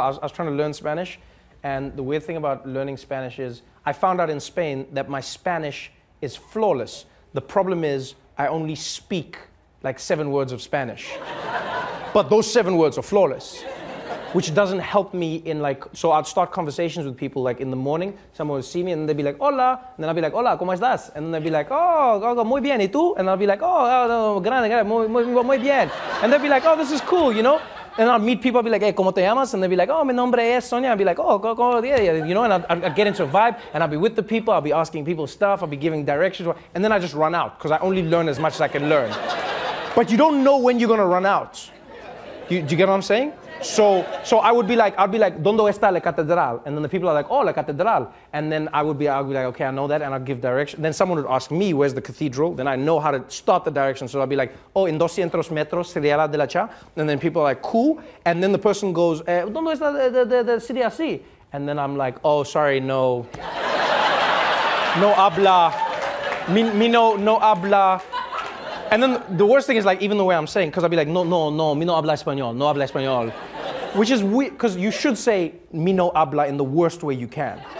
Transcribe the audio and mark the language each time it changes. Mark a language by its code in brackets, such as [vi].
[en] I was trying to learn Spanish, and the weird thing about learning Spanish is I found out in Spain that my Spanish is flawless. The problem is I only speak like 7 words of Spanish. But those 7 words are flawless, which doesn't help me in like, so I'd start conversations with people like in the morning, someone would see me and they'd be like, [es] hola. [en] And then I'd be like, [es] hola, ¿cómo estás? [en] And then they'd be like, [es] oh, muy bien, ¿y tú? [en] And I'd be like, oh, [es] grande, muy bien. [en] And they'd be like, oh, this is cool, you know? And I'd meet people, I'd be like, hey, [es] ¿cómo te llamas? [en] And they'd be like, oh, [es] mi nombre es Sonia. [en] I'd be like, oh, [es] ¿cómo te llamas? [en] You know, and I'd get into a vibe and I'd be with the people, I'd be asking people stuff, I'd be giving directions. And then I just run out because I only learn as much as I can learn. But you don't know when you're going to run out. Do you get what I'm saying? So I'd be like, [es] ¿dónde está la catedral? [en] And then the people are like, oh, [es] la catedral. [en] And then I'd be like, okay, I know that. And I'd give direction. Then someone would ask me, where's the cathedral? Then I know how to start the direction. So I'd be like, oh, [es] en 200 metros sería la de la cha. [en] And then people are like, cool. And then the person goes, [es] ¿dónde está la city así? [en] And then I'm like, oh, sorry, no. [es] No habla. Mi no habla. [en] And then the worst thing is, like, even the way I'm saying, because I'd be like, [es] no habla español. [en] Which is weird, because you should say, [es] mi no habla [en] in the worst way you can.